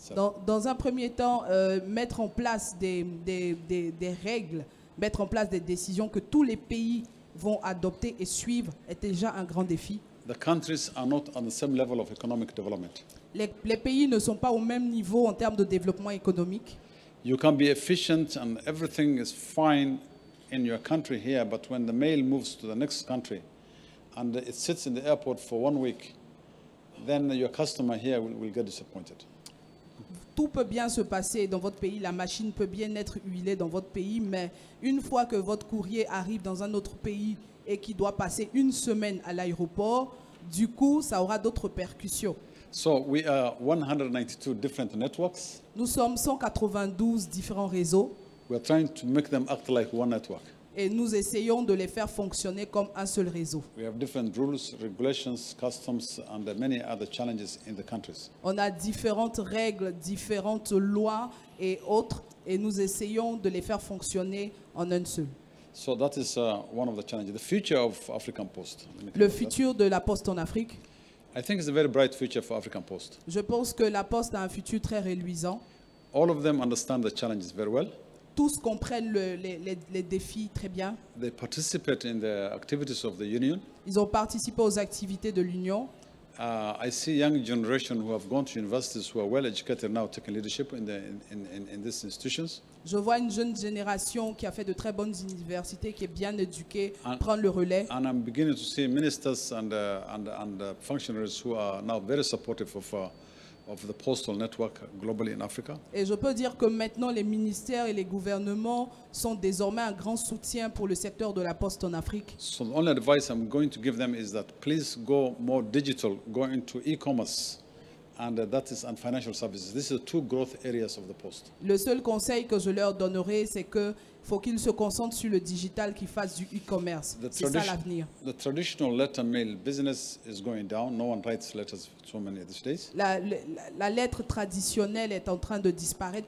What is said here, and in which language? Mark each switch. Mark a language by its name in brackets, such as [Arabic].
[French] Dans un premier temps, mettre en place des règles, mettre en place des décisions que tous les pays vont adopter et suivre est déjà un grand défi. [English] The countries are not on the same level of economic development. [French] Les pays ne sont pas au même niveau en termes de développement économique. [English] You can be efficient and everything is fine in your country here, but when the mail moves to the next country and it sits in the airport for 1 week, then your customer here will get disappointed. [French] Tout peut bien se passer dans votre pays, la machine peut bien être huilée dans votre pays, mais une fois que votre courrier arrive dans un autre pays et qu'il doit passer une semaine à l'aéroport, du coup, ça aura d'autres percussions. [English] So we are 192 different networks. [French] Nous sommes 192 différents réseaux. [English] We are trying to make them act like one network. [French] Et nous essayons de les faire fonctionner comme un seul réseau. [English] We have different rules, regulations, customs, and many other challenges in the countries. [French] On a différentes règles, différentes lois et autres, et nous essayons de les faire fonctionner en un seul. [English] So that is one of the challenges. The future of African Post. [French] Le futur de la Poste en Afrique. [English] I think it's a very bright future for African Post. [French] Je pense que la Poste a un futur très reluisant. [English] All of them understand the challenges very well. [French] Tous comprennent les défis très bien. [English] They participate in the activities of the union. [French] Ils ont participé aux activités de l'union. [English] I see young generation who have gone to universities who are well educated now taking leadership in these institutions. [French] Je vois une jeune génération qui a fait de très bonnes universités, qui est bien éduquée, prendre le relais. [English] And I'm beginning to see ministers and functionaries who are now very supportive of the postal network globally in Africa. [French] Et je peux dire que maintenant les ministères et les gouvernements sont désormais un grand soutien pour le secteur de la poste en Afrique. [English] So the only advice I'm going to give them is that please go more digital, go into e-commerce and financial services. These are two growth areas of the post. [French] Le seul conseil que je leur donnerai, c'est que faut qu'ils se concentrent sur le digital, qu'ils fassent du e-commerce. C'est ça l'avenir. [English] The traditional letter mail business is going down. No one writes letters so many these days. [French] La lettre traditionnelle est en train de disparaître.